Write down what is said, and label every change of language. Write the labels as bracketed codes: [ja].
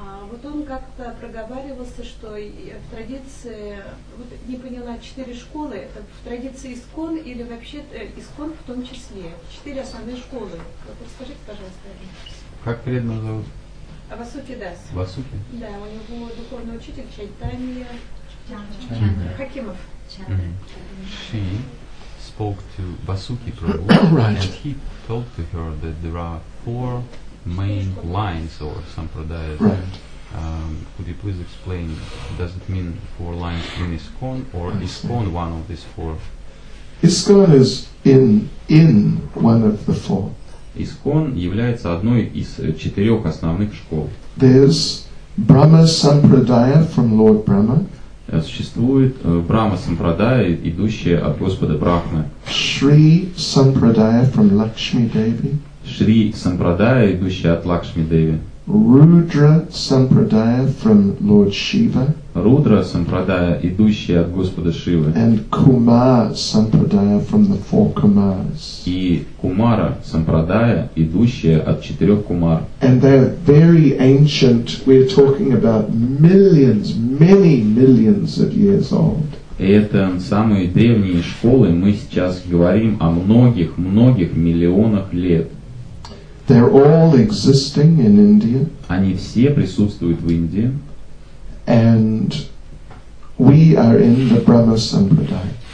[ru] Вот он как-то проговаривался, что в традиции, вот не поняла, четыре школы, это в традиции ИСКОН или вообще ИСКОН в том числе? Четыре основные школы. Скажите, пожалуйста. Как преданного зовут? Васуки Дас. Васуки? Да, у него духовный учитель Чайтанья Хакимов. [en] Ши spoke to Vasuki Prabhu, right. And he told to her that there are four main lines or sampradayas. Right. Could you please explain, does it mean four lines in ISKCON or ISKCON one of these four? ISKCON is in one of the four. [ru] ISKCON является одной из четырех основных школ. [en] There's Brahma Sampradaya from Lord Brahma. [ru] Существует Брахма Сампрадая, идущая от Господа Брахмы. [en] Шри Сампрадая from Lakshmi Devi. [ru] Шри Сампрадая, идущая от Лакшми Деви. [en] Rudra Sampradaya from Lord Shiva. [ru] Rudra Sampradaya, идущая от Господа Шивы. [en] And Kumara Sampradaya from the four Kumaras. [ru] И Кумара Сампрадая, идущая от четырех Кумар. [en] And they are very ancient. We're talking about millions, many millions of years old. [ru] Это самые древние школы. Мы сейчас говорим о многих, многих миллионах лет. [en] They're all existing in India. [ru] Они все присутствуют в Индии. [en] And we are in the Brahma Sampradaya.